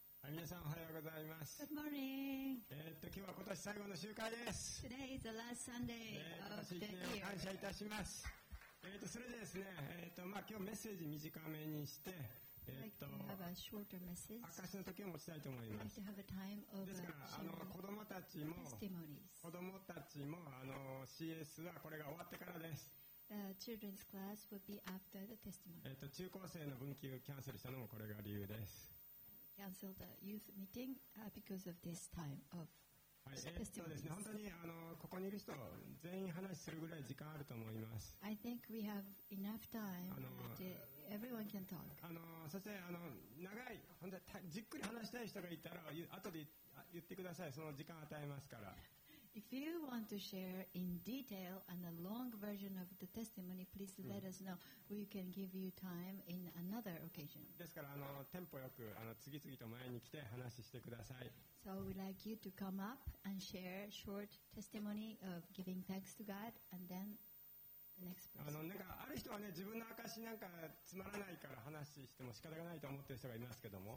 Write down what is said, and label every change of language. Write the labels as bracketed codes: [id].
[ja] 皆さんおはようございます。 [en] Good morning. [ja] 今日は今年最後の集会です。 [en] Today is the last Sunday of the year. [ja] 感謝いたします。それでですね、まあ、今日メッセージ短めにして、証しの時を持ちたいと思います。ですから、子供たちも CS はこれが終わってからです。 [en] Children's class would be after the testimony. [ja] 中高生の分級をキャンセルしたのもこれが理由です。 [en] Cancel the youth meeting because of this time of testimony. [ja] ですね、本当にここにいる人全員話するぐらい時間あると思います。 [en] I think we have enough time that everyone can talk. [ja] そして長い、本当にじっくり話したい人がいたら後で言ってください。その時間与えますから。 [en] If you want to share in detail and a long version of the testimony, please let us know. We can give you time in another occasion. [ja] ですから、テンポよく次々と前に来て話してください。 [en] So we'd like you to come up and share short testimony of giving thanks to God and then the next person. [ja] なんかある人はね、自分の証なんかつまらないから話しても仕方がないと思っている人がいますけども。